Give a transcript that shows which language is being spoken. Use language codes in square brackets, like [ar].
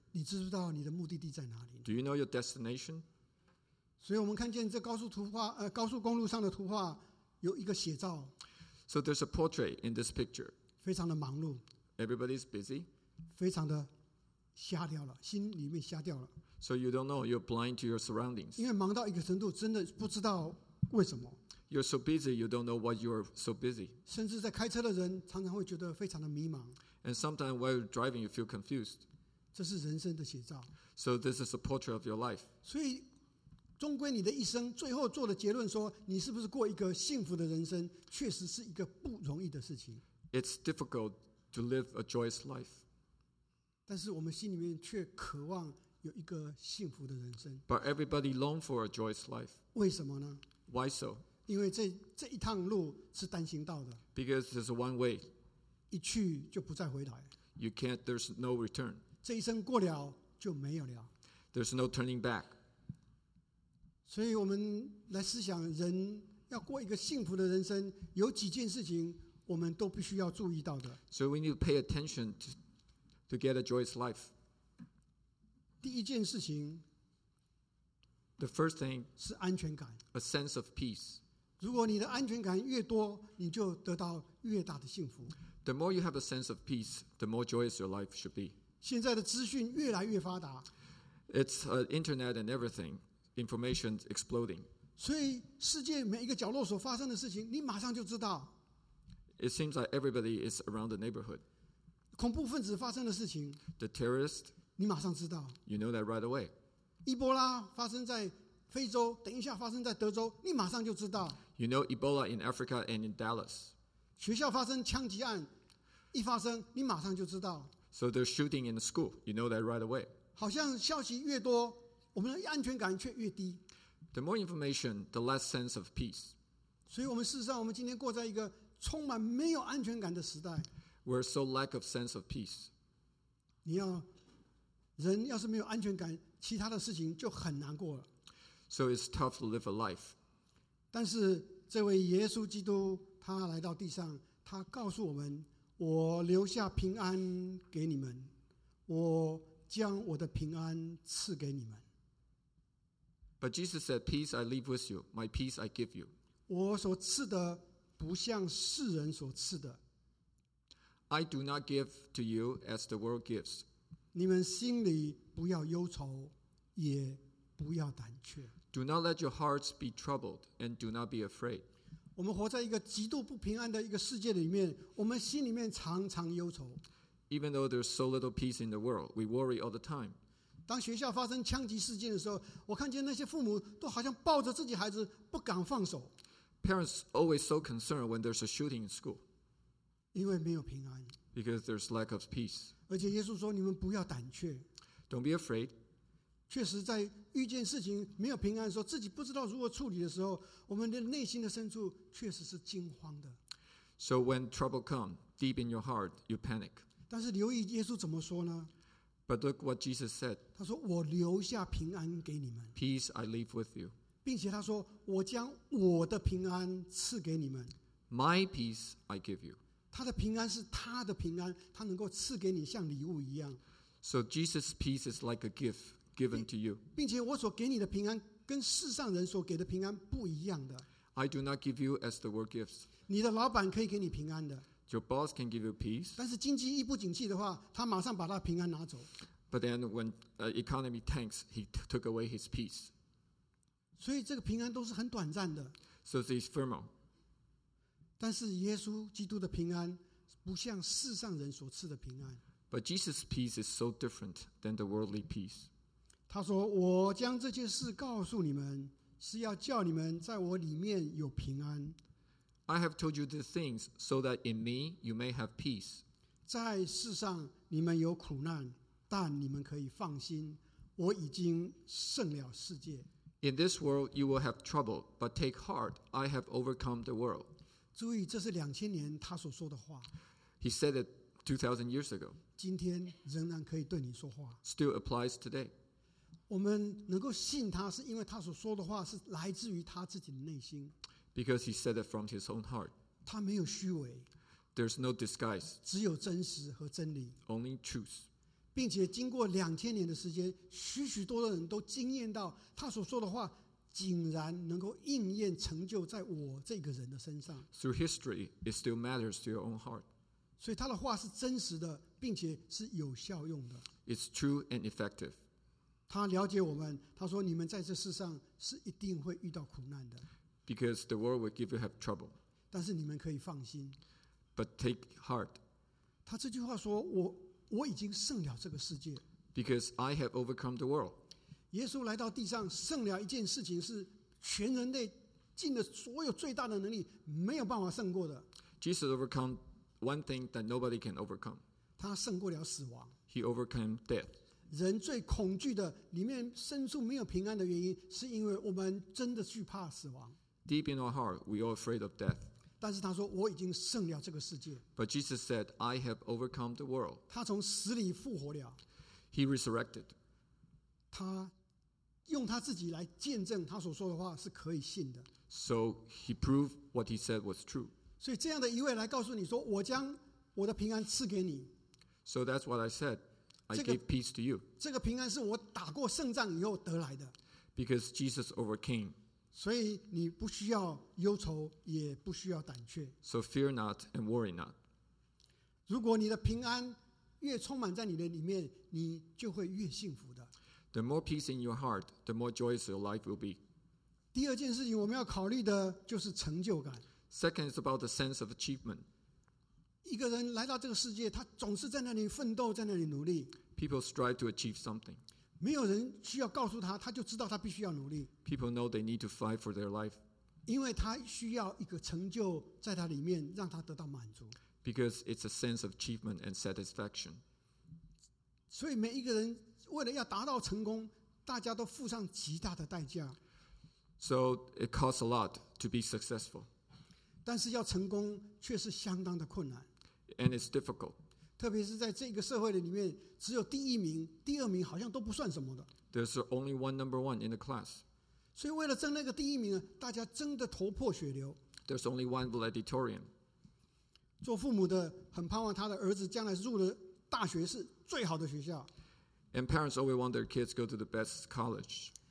[zh] 你知不知道你的目的地在哪里？ [en] Do you know your destination? [zh] 所以我们看见这高速图画，高速公路上的图画有一个写照。 [en] So there's a portrait in this picture. [zh] 非常的忙碌。 [en] Everybody's busy. [zh] 非常的瞎掉了，心里面瞎掉了。 [en] So you don't know, you're blind to your surroundings. [zh] 因为忙到一个程度，真的不知道为什么。 [en] You're so busy, you don't know why you're so busy. [zh] 甚至在开车的人常常会觉得非常的迷茫。 [en] And sometimes while you're driving, you feel confused. [zh] 这是人生的写照。 [en] So this is a portrait of your life. [zh] 所以终归你的一生最后做的结论说你是不是过一个幸福的人生确实是一个不容易的事情。 [en] It's difficult to live a joyous life. [zh] 但是我们心里面却渴望有一个幸福的人生。 [en] But everybody long for a joyous life. [zh] 为什么呢？ [en] Why so? [zh] 因为 这一趟路是单行道的。 [en] Because there's one way. [zh] 一去就不再回来。 [en] You can't, there's no return. [zh] 这一生过了就没有了。 [en] There's no turning back. [zh] 所以我们来思想人要过一个幸福的人生有几件事情我们都必须要注意到的。 [en] So we need to pay attention to get a joyous life. [zh] 第一件事情 [en] The first thing [zh] 是安全感 [en] A sense of peace. [zh] 如果你的安全感越多你就得到越大的幸福。 [en] The more you have a sense of peace, the more joyous your life should be. [zh] 现在的资讯越来越发达。 [en] It's internet and everything. Information exploding. [zh] 所以世界每一个角落所发生的事情，你马上就知道。 [en] It seems like everybody is around the neighborhood. [zh] 恐怖分子发生的事情 [en] ，The terrorist. [zh] 你马上知道。 [en] You know that right away. [zh] 伊波拉发生在非洲，等一下发生在德州，你马上就知道。 [en] You know Ebola in Africa and in Dallas. [zh] 学校发生枪击案，一发生，你马上就知道。 [en] So there's shooting in the school. You know that right away. [zh] 好像消息越多。我们的安全感却越低。 [en] The more information, the less sense of peace. [zh] 所以我们事实上，我们今天过在一个充满没有安全感的时代。 [en] We're so lack of sense of peace. [zh] 你要人要是没有安全感，其他的事情就很难过了。 [en] So it's tough to live a life. [zh] 但是这位耶稣基督他来到地上，他告诉我们：“我留下平安给你们，我将我的平安赐给你们。” [en] But Jesus said, "Peace I leave with you, my peace I give you." [zh] 我所赐的不像世人所赐的。 [en] I do not give to you as the world gives. [zh] 你们心里不要忧愁，也不要胆怯。 [en] Do not let your hearts be troubled, and do not be afraid. [zh] 我们活在一个极度不平安的一个世界里面，我们心里面常常忧愁。 [en] Even though there's so little peace in the world, we worry all the time. [zh] 当学校发生枪击事件的时候，我看见那些父母都好像抱着自己孩子不敢放手。 [en] Parents always so concerned when there's a shooting in school. [zh] 因为没有平安。 [en] Because there's lack of peace. [zh] 而且耶稣说，你们不要胆怯。 [en] Don't be afraid. [zh] 确实在遇见事情没有平安的时候，自己不知道如何处理的时候，我们的内心的深处确实是惊慌的。 [en] So when trouble comes deep in your heart, you panic. [zh] 但是留意耶稣怎么说呢？ [en] But look what Jesus said. [zh] 他说，我留下平安给你们。 [en] Peace I leave with you. [zh] 并且他说，我将我的平安赐给你们。 [en] My peace I give you. [zh] 他的平安是他的平安，他能够赐给你像礼物一样。 [en] So Jesus' peace is like a gift. Given to you. [zh] 并且我所给你的平安跟世上人所给的平安不一样的。 [en] I do not give you as the world gives. [zh] 你的老板可以给你平安的。 [en] Your boss can give you peace. [zh] 但是经济一不景气的话，他马上把他平安拿走。 [en] But then when economy tanks, he took away his peace. [zh] 所以这个平安都是很短暂的。 [en] So it's ephemeral. [zh] 但是耶稣基督的平安不像世上人所赐的平安。 [en] But Jesus' peace is so different than the worldly peace. [zh] 他说，我将这些事告诉你们，是要叫你们在我里面有平安。 [en] I have told you these things so that in me you may have peace. [zh] 在世上你们有苦难，但你们可以放心，我已经胜了世界。 [en] In this world you will have trouble, but take heart, I have overcome the world. [zh] 注意，这是2000年他所说的话。 [en] He said it 2000 years ago. [zh] 今天仍然可以对你说话。 [en] Still applies today. [zh] 我们能够信他，是因为他所说的话是来自于他自己的内心。 [en] Because he said it from his own heart. [zh] 他没有虚伪。 [en] There's no disguise. [zh] 只有真实和真理。 [en] Only truth. [zh] 并且经过2000年的时间，许许多多人都经验到他所说的话竟然能够应验成就在我这个人的身上。 [en] Through history, it still matters to your own heart. [zh] 所以他的话是真实的，并且是有效用的。 [en] It's true and effective. [zh] 他了解我们，他说你们在这世上是一定会遇到苦难的。 [en] Because the world will give you have trouble. [zh] 但是你们可以放心。 [en] But take heart. [zh] 他这句话说，我已经胜了这个世界。 [en] Because I have overcome the world. [zh] 耶稣来到地上胜了一件事情，是全人类尽了所有最大的能力没有办法胜过的。 [en] Jesus overcome one thing that nobody can overcome. [zh] 他胜过了死亡。 [en] He overcame death. [zh] 人最恐惧的里面深处没有平安的原因，是因为我们真的惧怕死亡。 [en] Deep in our heart, we are afraid of death. [zh] 但是他说，我已经胜了这个世界。 [en] But Jesus said, I have overcome the world. [zh] 他从死里复活了。 [en] He resurrected. [zh] 他用他自己来见证他所说的话是可以信的。 [en] So he proved what he said was true. [zh] 所以这样的一位来告诉你说，我将我的平安赐给你。 [en] So that's what I said. I gave peace to you. [zh] 这个平安是我打过胜仗以后得来的。 [en] Because Jesus overcame. [zh] 所以你不需要忧愁，也不需要胆怯。 [en] So fear not and worry not. [zh] 如果你的平安越充满在你的里面，你就会越幸福的。 [en] The more peace in your heart, the more joyous your life will be. [zh] 第二件事情我们要考虑的就是成就感。 [en] Second is about the sense of achievement. [zh] 一个人来到这个世界，他总是在那里奋斗，在那里努力。 [en] People strive to achieve something. [zh] 没有人需要告诉他，他就知道他必须要努力。 [en] People know they need to fight for their life. [zh] 因为他需要一个成就在他里面，让他得到满足。 [en] Because it's a sense of achievement and satisfaction. [zh] 所以每一个人为了要达到成功，大家都付上极大的代价。 [en] So it costs a lot to be successful. [zh] 但是要成功却是相当的困难。 [en] And it's difficult. [zh] 特别是在这个社会里面，只有第一名、第二名好像都不算什么的。 [en] There's only one number one in the class. [zh] 所以为了争那个第一名，大家争得头破血流。 [en] There's only one valedictorian. [zh] 做父母的很盼望他的儿子将来入了大学是最好的学校。 [en] And parents always want their kids go to the best college.